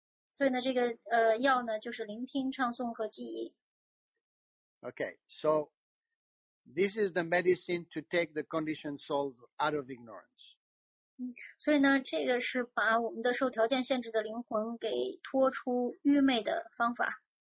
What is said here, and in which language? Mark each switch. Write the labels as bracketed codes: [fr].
[zh] 所以呢，这个药呢，就是聆听、唱诵和记忆. [en] Okay, so this is the medicine to take the conditioned soul out of ignorance. [zh] 所以呢，这个是把我们的受条件限制的灵魂给脱出愚昧的方法。